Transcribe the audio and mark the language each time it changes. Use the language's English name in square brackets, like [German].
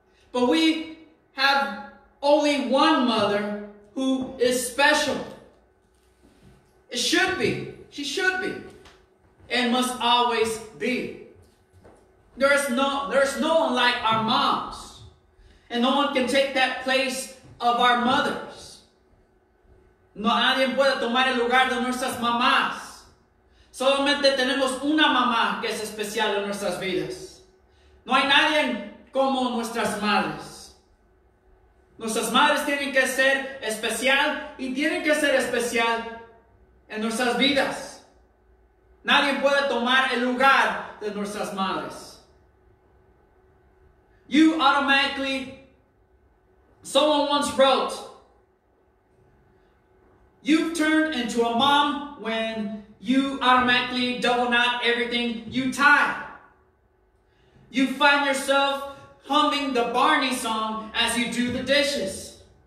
[English] But we have only one mother who is special. It should be. She should be. And must always be. There's no one like our moms. And no one can take that place of our mothers. [Spanish] No alguien puede tomar el lugar de nuestras mamás. Solamente tenemos una mamá que es especial en nuestras vidas. No hay nadie como nuestras madres. Nuestras madres tienen que ser especial y tienen que ser especial en nuestras vidas. Nadie puede tomar el lugar de nuestras madres. [English] You automatically, someone once wrote, you've turned into a mom when you automatically double knot everything you tie. You find yourself humming the Barney song as you do the dishes.